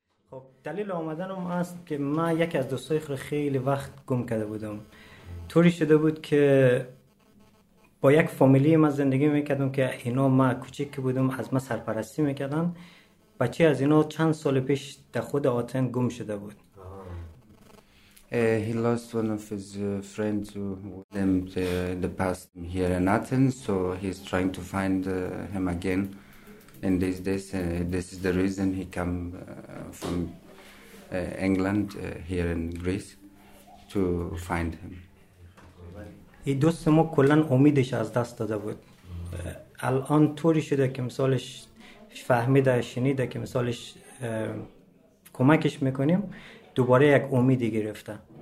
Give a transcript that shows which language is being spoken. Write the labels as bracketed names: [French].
[Persian] خب دلیل اومدنم است که من یکی از دوستای خیلی وقت گم کرده بودم. طوری شده بود که با یک فامیلی ما زندگی میکردم که اینا ما کوچک بودم از ما سرپرستی میکردن. بچه از اینا چند سال پیش در خود آتن گم شده بود. [English] He lost one of his friends who was with him the past here in Athens, so he's trying to find him again in these days. This is the reason he came from England here in Greece to find him. [Persian] He دوست ما کلن امیدش از دست داده بود. الان طوری شده که مثالش فهمیده شنیده که مثالش کمکش میکنیم دوباره یک امیدی گرفته.